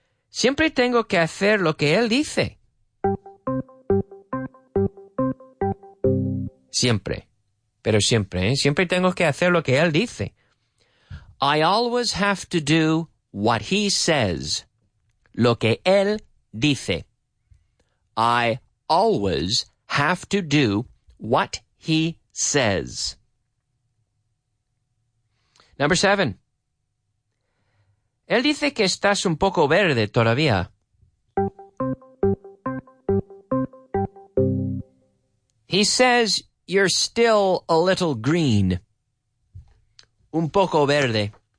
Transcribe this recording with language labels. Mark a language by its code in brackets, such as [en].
[es] Siempre tengo que hacer lo que él dice. Siempre. Pero siempre, ¿eh? Siempre tengo que hacer lo que él dice. [en] I always have to do what he says. [es] Lo que él dice. [en] I always have to do what he says. Number seven. [es] Él dice que estás un poco verde todavía. [en] He says you're still a little green. [es] Un poco verde.